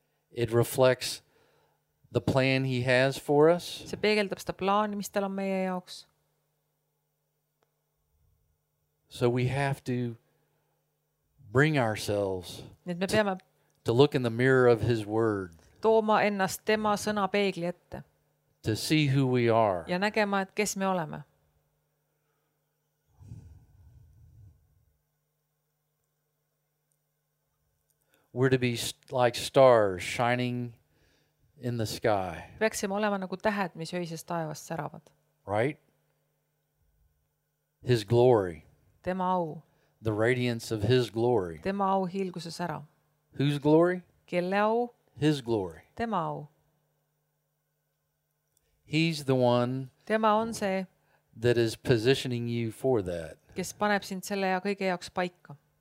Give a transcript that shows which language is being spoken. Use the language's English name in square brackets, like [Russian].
[English] It reflects the plan he has for us. [Estonian] See peegeldab seda plaani, mis tal on meie jaoks. [English] So we have to bring ourselves [Estonian] nüüd me peame [English] to look in the mirror of his word. [Estonian] Tooma ennast tema sõna peegli ette. [English] To see who we are. [Estonian] Ja nägema, et kes me oleme. [English] We're to be like stars shining in the sky. [Estonian] Peaksime olema nagu tähed, mis öisest taevast säravad. [English] Right? His glory. [Estonian] Tema au. [English] The radiance of his glory. [Estonian] Tema au hilguse sära. [English] Whose glory? [Estonian] Kelle au? [English] His glory. [Estonian] Tema au. [English] He's the one. [Estonian] Tema on see. [English] That is positioning you for that. [Estonian] Kes paneb sind selle ja kõige jaoks paika.